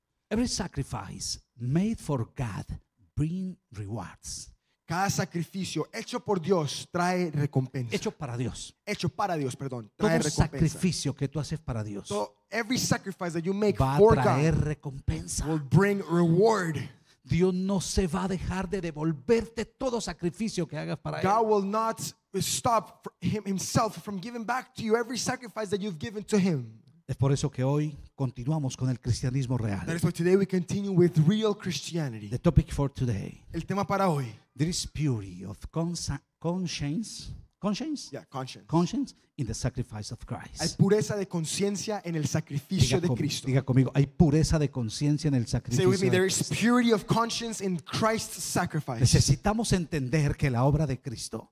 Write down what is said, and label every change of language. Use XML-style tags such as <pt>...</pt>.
<en>Every sacrifice made for God bring rewards.</en> <es>Cada sacrificio hecho por Dios trae recompensa. Hecho para Dios, trae recompensa. Todo sacrificio que tú haces para Dios.</es> <en>So every sacrifice that you make</en> <es>va a traer recompensa.</es> <en>Will bring reward.</en> <es>Dios no se va a dejar de devolverte todo sacrificio que hagas para él.</es> <en>God will not stop himself from giving back to you every sacrifice that you've given to him.</en> <es>Es por eso que hoy continuamos con el cristianismo real.</es> <en>That is why today we continue with real Christianity. The topic for today.</en> <es>El tema para hoy.</es> <en>There is purity of conscience. Yeah, conscience. Conscience in the sacrifice of Christ.</en> <es>Hay pureza de conciencia en el sacrificio de Cristo. Diga conmigo, hay pureza de conciencia en el sacrificio de Cristo.</es> <en>Say with me, there is purity of conscience in Christ's sacrifice.</en> <es>Necesitamos entender que la obra de Cristo.</es>